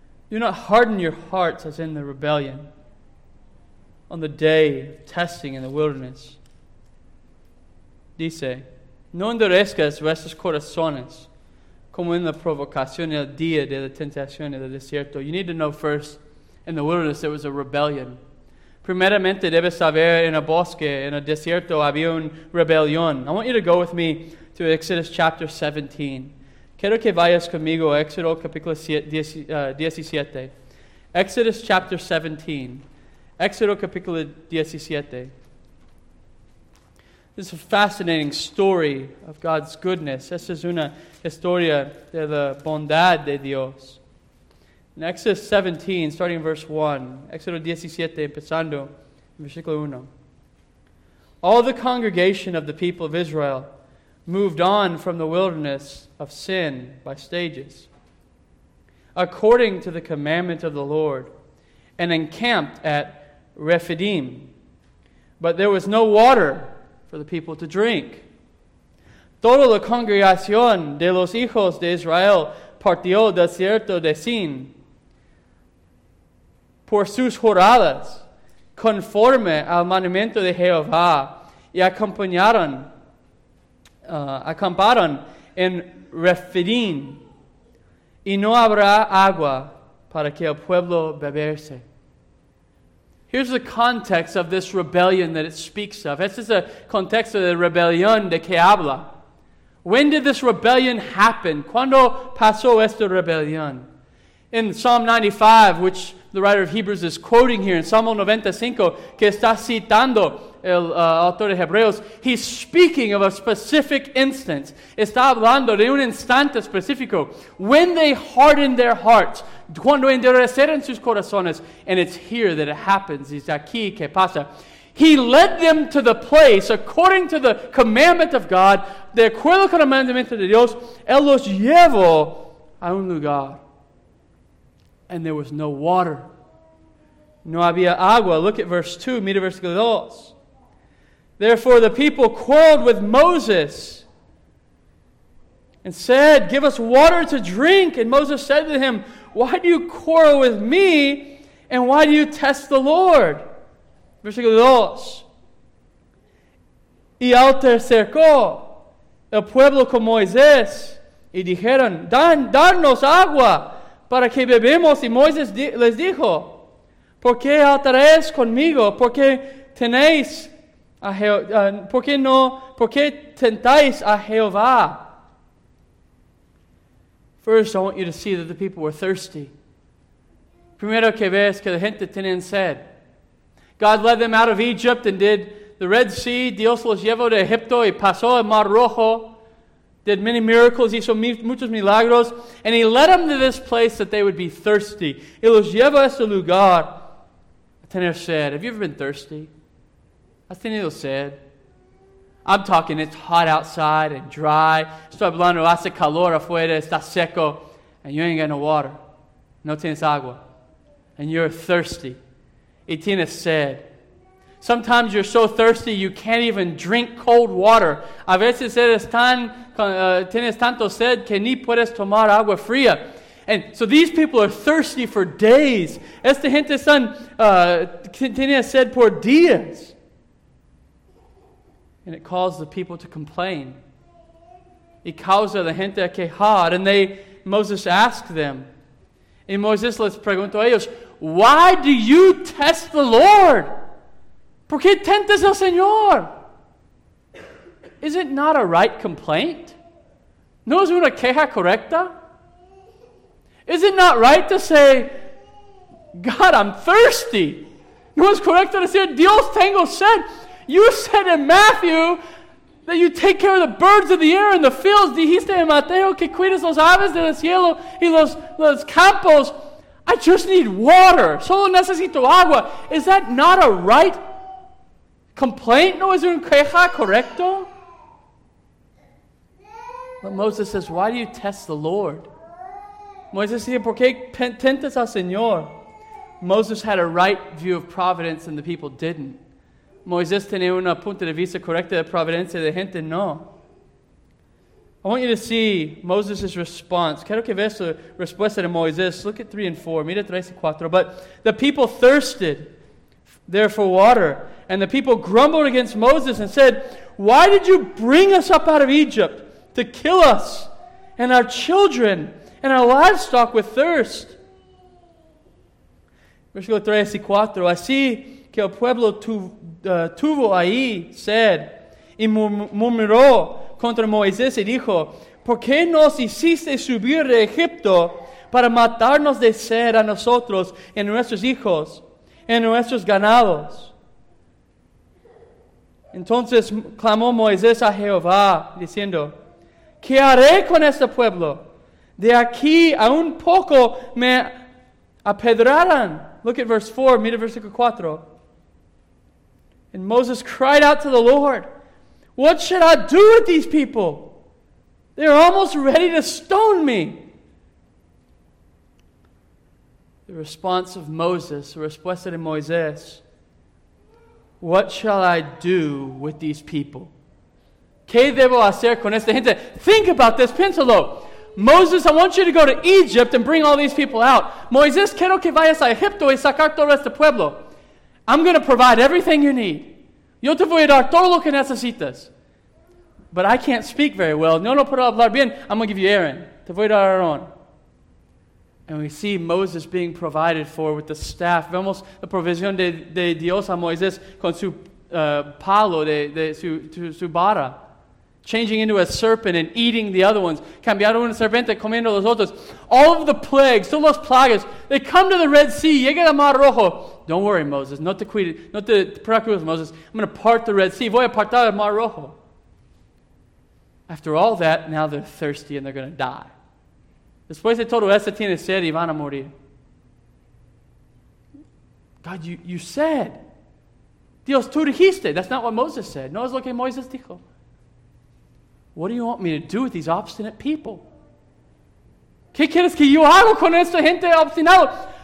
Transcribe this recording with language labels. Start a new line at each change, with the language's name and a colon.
English: Do not harden your hearts as in the rebellion on the day of testing in the wilderness.
Spanish: Dice, no endurezcas vuestros corazones como en la provocación el día de la tentación en el desierto.
English: You need to know first, in the wilderness there was a rebellion.
Spanish: Primeramente debes saber en el bosque, en el desierto había un rebelión.
English: I want you to go with me to Exodus chapter 17.
Spanish: Quiero que vayas conmigo a Éxodo capítulo 17.
English: Exodus chapter 17.
Spanish: Éxodo capítulo 17.
English: This is a fascinating story of God's goodness.
Spanish: Esta es una historia de la bondad de Dios.
English: In Exodus 17, starting in verse 1.
Spanish: Éxodo 17, empezando en versículo 1.
English: All the congregation of the people of Israel moved on from the wilderness of sin by stages, according to the commandment of the Lord, and encamped at Rephidim. But there was no water for the people to drink.
Spanish: Toda la congregación de los hijos de Israel partió del desierto de Sin por sus jornadas, conforme al mandamiento de Jehová, y acamparon en Rephidim, y no habrá agua para que el pueblo beberse.
English: Here's the context of this rebellion that it speaks of.
Spanish: Este es el contexto de rebelión de que habla.
English: When did this rebellion happen?
Spanish: ¿Cuándo pasó esta rebelión?
English: In Psalm 95, which the writer of Hebrews is quoting here, in Psalm 95,
Spanish: que está citando el autor de Hebreos,
English: he's speaking of a specific instance.
Spanish: Está hablando de un instante específico.
English: When they hardened their hearts,
Spanish: cuando endurecieron sus corazones,
English: and it's here that it happens,
Spanish: es aquí que pasa.
English: He led them to the place, according to the commandment of God,
Spanish: de acuerdo con el mandamiento de Dios, él los llevó a un lugar.
English: And there was no water.
Spanish: No había agua.
English: Look at verse 2.
Spanish: Mira versículo 2.
English: Therefore the people quarreled with Moses and said, give us water to drink. And Moses said to him, why do you quarrel with me and why do you test the Lord?
Spanish: Versículo 2. Y altercó el pueblo con Moisés y dijeron, danos agua para que bebemos. Y Moisés les dijo, ¿por qué altaréis conmigo? ¿Por qué tentáis a Jehová?
English: First, I want you to see that the people were thirsty.
Spanish: Primero que ves que la gente tenía sed.
English: God led them out of Egypt and did the Red Sea.
Spanish: Dios los llevó de Egipto y pasó el Mar Rojo.
English: Did many miracles,
Spanish: hizo muchos milagros,
English: and he led them to this place that they would be thirsty.
Spanish: Y los lleva a este lugar a tener sed.
English: Have you ever been thirsty?
Spanish: ¿Has tenido sed?
English: I'm talking, it's hot outside and dry.
Spanish: Estoy hablando, hace calor afuera, está seco,
English: and you ain't got no water.
Spanish: No tienes agua.
English: And you're thirsty.
Spanish: Y tienes sed.
English: Sometimes you're so thirsty you can't even drink cold water.
Spanish: A veces eres tienes tanto sed que ni puedes tomar agua fría.
English: And so these people are thirsty for days.
Spanish: Esta gente son tiene sed por días.
English: And it caused the people to complain.
Spanish: Y causa la gente a quejar.
English: And Moses asked them.
Spanish: Y Moisés les preguntó a ellos,
English: why do you test the Lord?
Spanish: ¿Por qué tentas al Señor?
English: Is it not a right complaint?
Spanish: ¿No es una queja correcta?
English: Is it not right to say, God, I'm thirsty?
Spanish: ¿No es correcto decir, Dios, tengo sed?
English: You said in Matthew that you take care of the birds of the air and the fields.
Spanish: Dijiste en Mateo que cuidas los aves del cielo y los campos.
English: I just need water.
Spanish: Solo necesito agua.
English: Is that not a right complaint?
Spanish: No es un queja correcto.
English: But Moses says, why do you test the Lord?
Spanish: Moisés dice, ¿por qué tentas al Señor?
English: Moses had a right view of providence and the people didn't.
Spanish: Moisés tenía una punta de vista correcta de providencia y la gente no.
English: I want you to see Moses' response.
Spanish: Quiero que veas la respuesta de Moisés.
English: Look at 3 and 4.
Spanish: Mira 3 y 4.
English: But the people thirsted there for water. And the people grumbled against Moses and said, why did you bring us up out of Egypt to kill us and our children and our livestock with thirst?
Spanish: Versículo 3 y 4. Así que el pueblo tuvo ahí sed y murmuró contra Moisés y dijo, ¿por qué nos hiciste subir de Egipto para matarnos de sed a nosotros y a nuestros hijos y a nuestros ganados? Entonces clamó Moisés a Jehová, diciendo, ¿qué haré con este pueblo? De aquí a un poco me apedrarán.
English: Look at verse 4,
Spanish: mira versículo 4.
English: And Moses cried out to the Lord, What should I do with these people? They're almost ready to stone me. The response of Moses, the
Spanish: respuesta de Moisés,
English: what shall I do with these people?
Spanish: ¿Qué debo hacer con esta gente?
English: Think about this,
Spanish: piénsalo.
English: Moses, I want you to go to Egypt and bring all these people out.
Spanish: Moisés, quiero que vayas a Egipto y sacar todo este pueblo.
English: I'm going to provide everything you need.
Spanish: Yo te voy a dar todo lo que necesitas.
English: But I can't speak very well.
Spanish: No, no puedo hablar bien.
English: I'm going to give you Aaron.
Spanish: Te voy a dar Aaron.
English: And we see Moses being provided for with the staff.
Spanish: Vemos la provisión de Dios a Moisés con su palo, su vara.
English: Changing into a serpent and eating the other ones.
Spanish: Cambiaron una serpiente comiendo los otros.
English: All of the plagues,
Spanish: todas las plagas,
English: they come to the Red Sea,
Spanish: llegan al Mar Rojo.
English: Don't worry, Moses.
Spanish: No te preocupes, Moses.
English: I'm going to part the Red Sea.
Spanish: Voy a apartar el Mar Rojo.
English: After all that, now they're thirsty and they're going to die.
Spanish: Después de todo eso, tiene sed y van a morir.
English: God, you said.
Spanish: Dios, tú dijiste.
English: That's not what Moses said.
Spanish: No es lo que Moisés dijo.
English: What do you want me to do with these obstinate people?
Spanish: ¿Qué quieres que yo haga con esta gente obstinada?